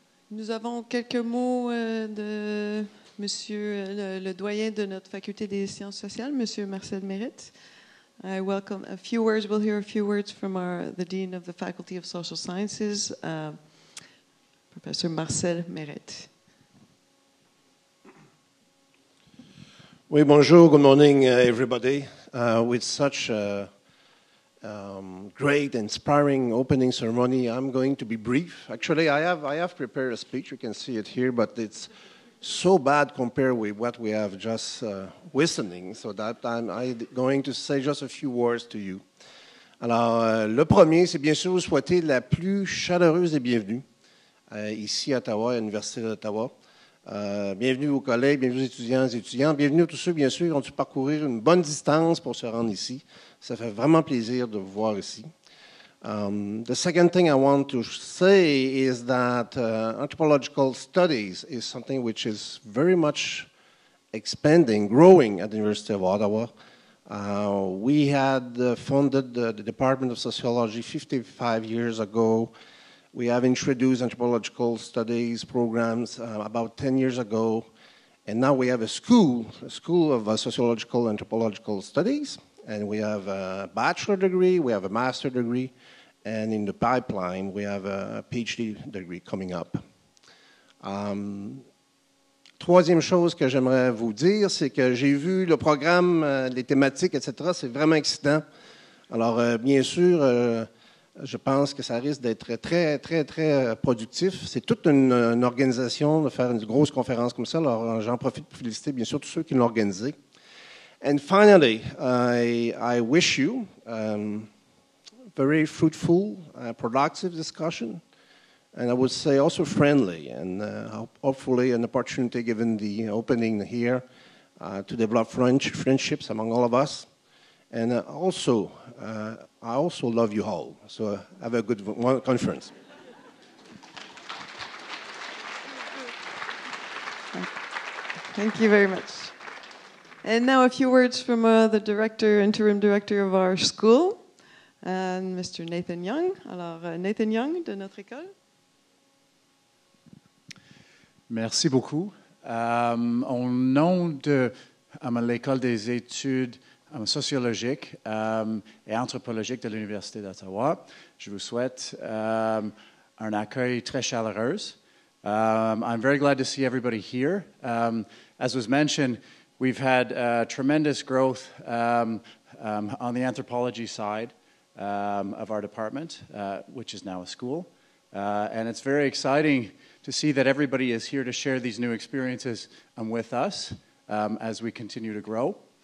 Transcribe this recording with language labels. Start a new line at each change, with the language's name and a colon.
French: Nous avons quelques mots de Monsieur le doyen de notre faculté des sciences sociales, Monsieur Marcel Mérite.
English: I welcome a few words. We'll hear a few words from the dean of the Faculty of Social Sciences, Professor Marcel Mérite.
French: Oui, bonjour,
English: good morning, everybody. With such a great, inspiring opening ceremony, I'm going to be brief. Actually, I have prepared a speech. You can see it here, but it's so bad compared with what we have just listening, so that I'm going to say just a few words to you.
French: Alors, le premier, c'est bien sûr vous souhaiter la plus chaleureuse et bienvenue ici à Ottawa, à l'Université d'Ottawa. Bienvenue aux collègues, bienvenue aux étudiants et étudiantes, bienvenue à tous ceux, bien sûr, qui ont dû parcourir une bonne distance pour se rendre ici. Ça fait vraiment plaisir de vous voir ici.
English: The second thing I want to say is that anthropological studies is something which is very much expanding, growing at the University of Ottawa. We had funded the Department of Sociology 55 years ago. We have introduced anthropological studies programs about 10 years ago. And now we have a school of sociological anthropological studies. And we have a bachelor degree, we have a master degree, and in the pipeline, we have a PhD degree coming up.
French: Troisième chose que j'aimerais vous dire, c'est que j'ai vu le programme, les thématiques, etc. C'est vraiment excitant. Alors, bien sûr, je pense que ça risque d'être très, très, très productif. C'est toute une organisation de faire une grosse conférence comme ça. Alors, j'en profite pour féliciter, bien sûr, tous ceux qui l'ont organisé.
English: And finally, I wish you a very fruitful, productive discussion, and I would say also friendly, and hopefully an opportunity given the opening here to develop friendships among all of us. And also, I also love you all, so have a good conference. Thank you very much. And now a few words from the director, interim director of our school, and Mr.
French: Nathan Young. Alors, Nathan Young, de notre école. Merci beaucoup. Au nom de l'école des études sociologiques et anthropologiques de l'Université d'Ottawa, je vous souhaite un accueil très chaleureux.
English: I'm very glad to see everybody here. As was mentioned, we've had tremendous growth on the anthropology side of our department, which is now a school. And it's very exciting to see that everybody is here to share these new experiences with us as we continue to grow.